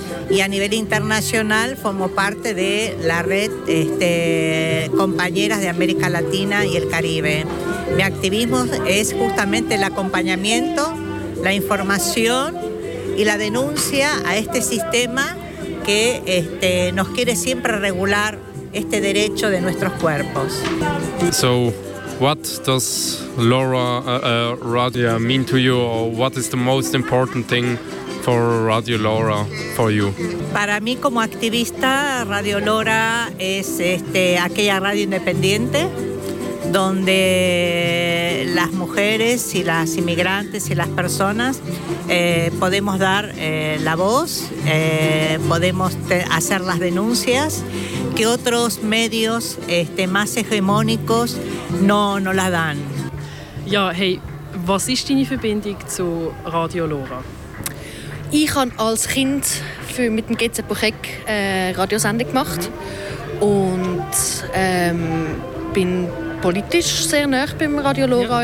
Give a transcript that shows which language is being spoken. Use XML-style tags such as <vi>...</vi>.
<es>Y a nivel internacional formo parte de la red Compañeras de América Latina y el Caribe. Mi activismo es justamente el acompañamiento, la información y la denuncia a este sistema que nos quiere siempre regular este derecho de nuestros cuerpos.</es> <en>So, what does Laura Radia mean to you, or what is the most important thing for Radio Laura for you?</en> <es>Para mí como activista, Radio Laura es aquella radio independiente donde las mujeres y las inmigrantes y las personas podemos dar la voz, podemos hacer las denuncias que otros medios más hegemónicos no las dan.</es> <de>Ja, hey, was ist deine Verbindung zu Radio Laura? Ich habe als Kind mit dem GZ Buchegg Radiosendung gemacht und bin politisch sehr nah beim Radio Laura.</de>